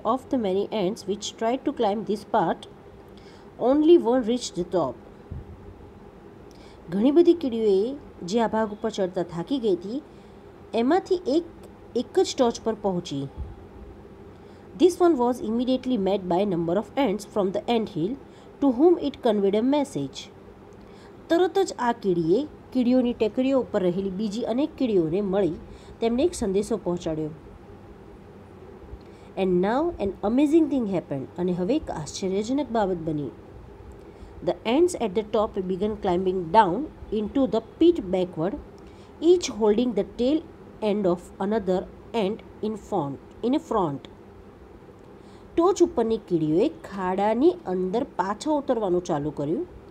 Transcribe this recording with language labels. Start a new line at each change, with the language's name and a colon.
English: Of the many ants which tried to climb this part, only one reached the top.
Gujarati: ઘણી બધી કીડીઓએ જે આ ભાગ ઉપર ચડતા થાકી ગઈ હતી એમાંથી એક જ ટોચ પર પહોંચી.
English: This one was immediately met by a number of ants from the anthill to whom it conveyed a message.
Gujarati: તરત જ આ કીડીએ કીડીઓની ટેકરીઓ ઉપર રહેલી બીજી અનેક કીડીઓને મળી તેમને એક સંદેશો પહોંચાડ્યો.
English: And now an amazing thing happened.
Gujarati: અને હવે એક આશ્ચર્યજનક બાબત બની.
English: The ants at the top began climbing down into the pit backward, each holding the tail end of another ant in front.
Gujarati: ટોચ ઉપરની કીડીઓએ ખાડાની અંદર પાછા ઉતરવાનું ચાલુ કર્યું.